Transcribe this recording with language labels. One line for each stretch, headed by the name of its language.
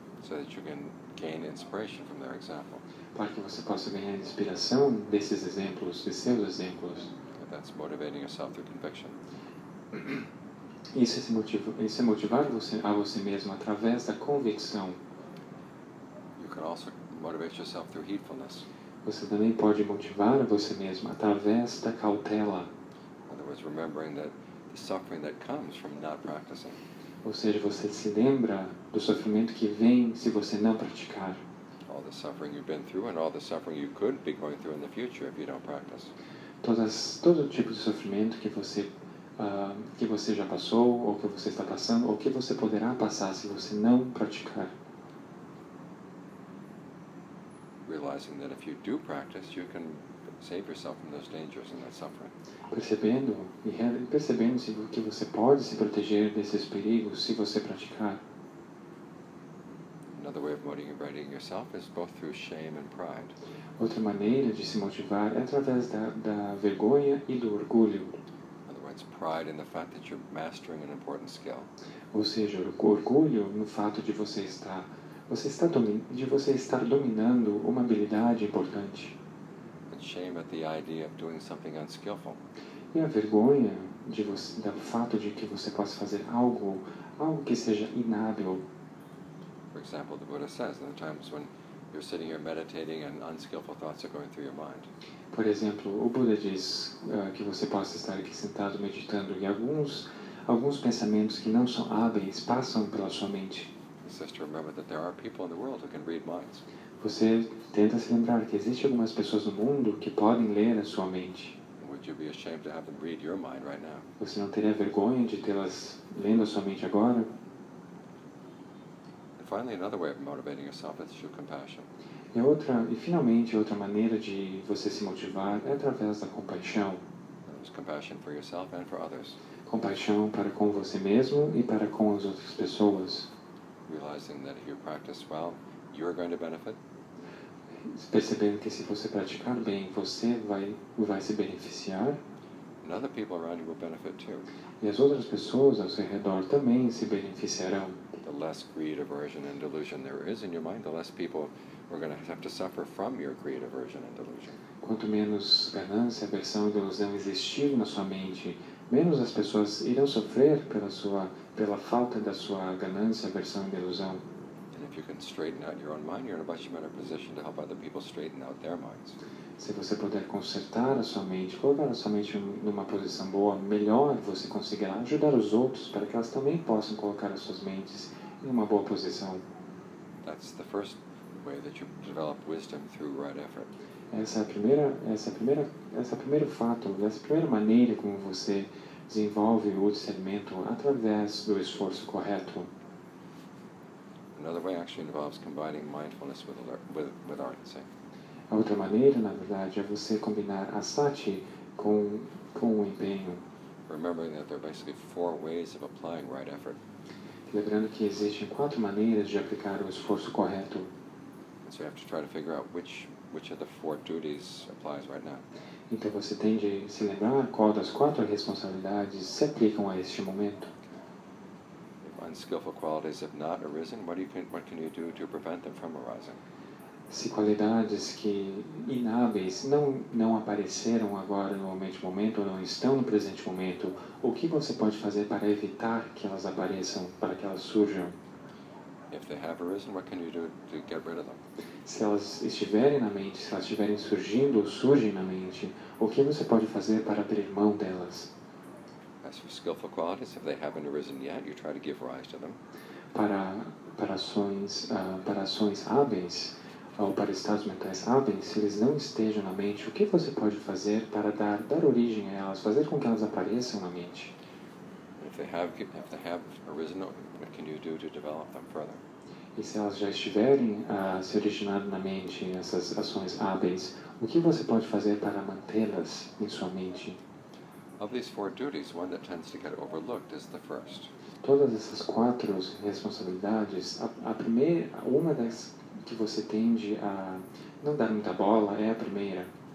English: So that you can gain inspiration from their example.
Portuguese: Para que você possa ganhar inspiração desses exemplos, de seus exemplos.
English: That's motivating yourself through conviction.
Portuguese: Isso é motivar você a você mesmo através da convicção.
English: You can also motivate yourself through heedfulness.
Portuguese: Você também pode motivar a você mesmo através da cautela.
English: In other words, remembering that the suffering that comes from not practicing.
Portuguese: Ou seja, você se lembra do sofrimento que vem se você não praticar.
English: All the suffering you've been through and all the suffering you could be going through in the future if you don't practice.
Portuguese: todo tipo de sofrimento que você já passou, ou que você está passando, ou que você poderá passar se você não praticar.
English: Realizing that if you do practice, you can save yourself from those dangers and that suffering.
Portuguese: Percebendo que você pode se proteger desses perigos se você praticar.
English: Another way of motivating yourself is both through shame and pride.
Portuguese: Outra maneira de se motivar é através da vergonha e do orgulho.
English: In other words, pride in the fact that you're mastering an important skill.
Portuguese: Ou seja, orgulho no fato de você estar dominando uma habilidade importante.
English: And shame at the idea of doing something unskillful.
Portuguese: E a vergonha do fato de que você possa fazer algo que seja inábil.
English: For example, the Buddha says in the times when you're sitting here meditating and unskillful thoughts are going through your mind.
Portuguese: Por exemplo, o Buda diz que você possa estar aqui sentado meditando e alguns pensamentos que não são hábeis passam pela sua mente.
English: Just to remember that there are people in the world who can read minds.
Portuguese: Você tenta se lembrar que existem algumas pessoas no mundo que podem ler a sua mente.
English: Would you be ashamed to have them read your mind right now?
Portuguese: Você não teria vergonha de tê-las lendo a sua mente agora?
English: And finally, another way of motivating yourself is through compassion.
Portuguese: E finalmente outra maneira de você se motivar é através da compaixão.
English: There's compassion for yourself and for others.
Portuguese: Compaixão para com você mesmo e para com as outras pessoas.
English: Realizing that if you practice well, you are going to benefit.
Portuguese: Percebendo que se você praticar bem, você vai se beneficiar.
English: And other people around you will benefit too.
Portuguese: E as outras pessoas ao seu redor também se beneficiarão.
English: The less greed, aversion, and delusion there is in your mind, the less people are going to have to suffer from your greed, aversion, and delusion.
Portuguese: Quanto menos ganância, aversão e delusão existirem na sua mente, menos as pessoas irão sofrer pela falta da sua ganância, aversão e delusão.
English: And if you can straighten out your own mind, you're in a much better position to help other people straighten out their minds.
Portuguese: Se você puder consertar a sua mente, colocar a sua mente numa posição boa, melhor você conseguirá ajudar os outros para que elas também possam colocar as suas mentes em uma boa posição.
English: That's the first way that you develop wisdom through right effort.
Portuguese: Essa primeira maneira como você desenvolve o discernimento através do esforço correto.
English: Another way actually involves combining mindfulness with ardency.
Portuguese: A outra maneira, na verdade, é você combinar a sati com o empenho.
English: Remembering that there are basically four ways of applying right effort.
Portuguese: Lembrando que existem quatro maneiras de aplicar o esforço correto.
English: And so you have to try to figure out which of the four duties applies right now.
Portuguese: Então você tem de se lembrar qual das quatro responsabilidades se aplicam a este momento.
English: If unskillful qualities have not arisen, what can you do to prevent them from arising?
Portuguese: Se qualidades que inábeis não apareceram agora no momento ou não estão no presente momento, o que você pode fazer para evitar que elas apareçam, para que elas surjam?
English: If they have arisen, what can you do to get rid of them?
Portuguese: Se elas estiverem na mente, se elas estiverem surgindo ou surgem na mente, o que você pode fazer para abrir mão delas?
English: As for skillful qualities, if they haven't arisen yet, you try to give rise to them.
Portuguese: Para ações hábeis, ou para estados mentais hábeis, se eles não estejam na mente, o que você pode fazer para dar origem a elas, fazer com que elas apareçam na mente?
English: If they have arisen, what can you do to develop them further?
Portuguese: E se elas já estiverem se originando na mente, essas ações hábeis, o que você pode fazer para mantê-las em sua mente?
English: Of these four duties, one that tends to get overlooked is the first.
Portuguese: Todas essas quatro responsabilidades, uma das que você tende a não dar muita bola é a primeira.